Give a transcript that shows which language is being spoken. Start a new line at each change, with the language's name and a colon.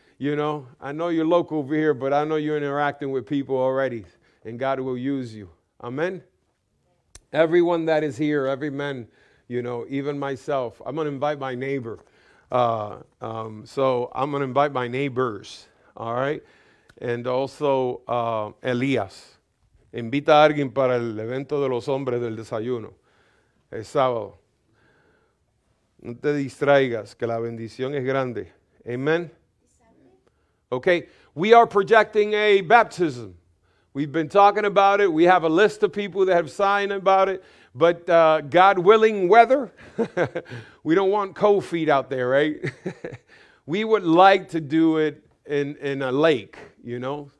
English: You know, I know you're local over here, but I know you're interacting with people already, and God will use you. Amen. Everyone that is here, every man, you know, even myself, I'm going to invite my neighbor. So I'm going to invite my neighbors, all right? And also Elias.
Spanish: Invita a alguien para el evento de los hombres del desayuno. El sábado. No te distraigas, que la bendición es grande.
English: Amen. Okay, we are projecting a baptism. We've been talking about it. We have a list of people that have signed about it. But God willing weather, we don't want cold feet out there, right? We would like to do it in a lake, you know?